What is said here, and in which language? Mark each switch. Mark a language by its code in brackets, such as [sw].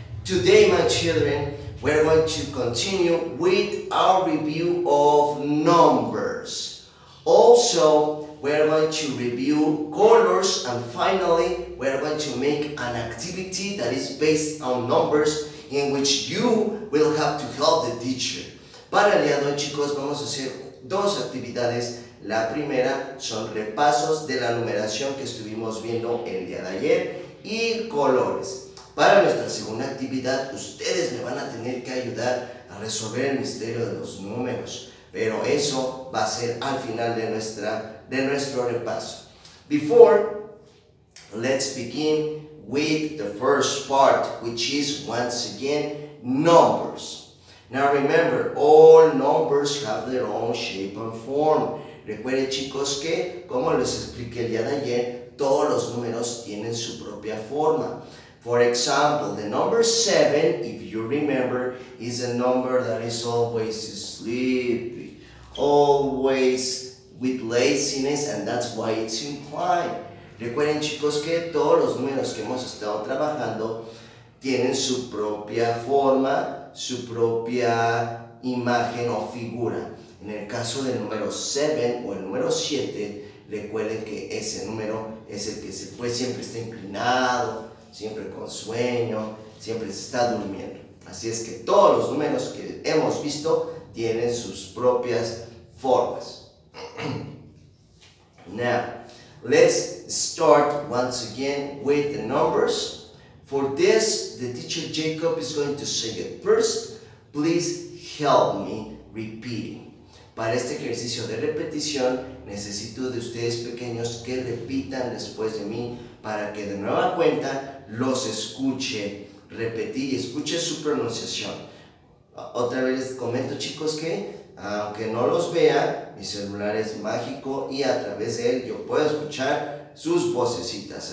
[en] Today, my children, we're going to continue with our review of numbers. Also, we're going to review colors, and finally, we're going to make an activity that is based on numbers in which you will have to help the teacher. [es] Para el día de hoy, chicos, vamos a hacer dos actividades. La primera son repasos de la numeración que estuvimos viendo el día de ayer y colores. Para nuestra segunda actividad, ustedes me van a tener que ayudar a resolver el misterio de los números. Pero eso va a ser al final de nuestro repaso. [en] Before, let's begin with the first part, which is, once again, numbers. Now remember, all numbers have their own shape and form. [es] Recuerden, chicos, que, como les expliqué el día de ayer, todos los números tienen su propia forma. [en] For example, the number 7, if you remember, is a number that is always sleepy, always with laziness, and that's why it's implied. [es] Recuerden, chicos, que todos los números que hemos estado trabajando tienen su propia forma, su propia imagen o figura. En el caso del número 7 o el número 7, recuerden que ese número es el que se puede, siempre está inclinado, siempre con sueño, siempre se está durmiendo. Así es que todos los números que hemos visto tienen sus propias formas. [en] Now, let's start once again with the numbers. For this, the teacher Jacob is going to say it first. Please help me repeating. [es] Para este ejercicio de repetición, necesito de ustedes pequeños que repitan después de mí para que de nueva cuenta los escuche repetir y escuche su pronunciación. Otra vez les comento, chicos, que aunque no los vea, mi celular es mágico y a través de él yo puedo escuchar sus vocecitas.